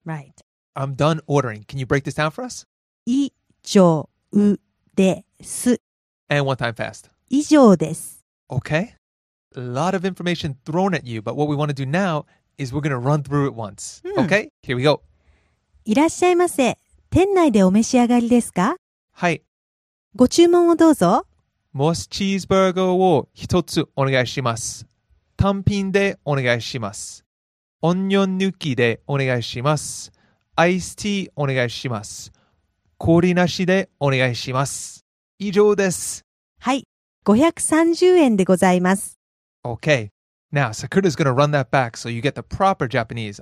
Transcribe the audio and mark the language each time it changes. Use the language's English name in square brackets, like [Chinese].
[English] Right. I'm done ordering. Can you break this down for us? [Japanese] 以上です。 [English] And one time fast. [Japanese] 以上です。 [English] Okay. A lot of information thrown at you, but what we want to do now is we're going to run through it once. Okay, here we go. [Japanese] いらっしゃいませ。店内でお召し上がりですか? はい。ご注文をどうぞ。モスチーズバーガーを一つお願いします。単品でお願いします。オニオン抜きでお願いします。アイスティーお願いします。氷なしでお願いします。以上です。はい、530円でございます。 [English] Okay, now Sakura's going to run that back so you get the proper Japanese.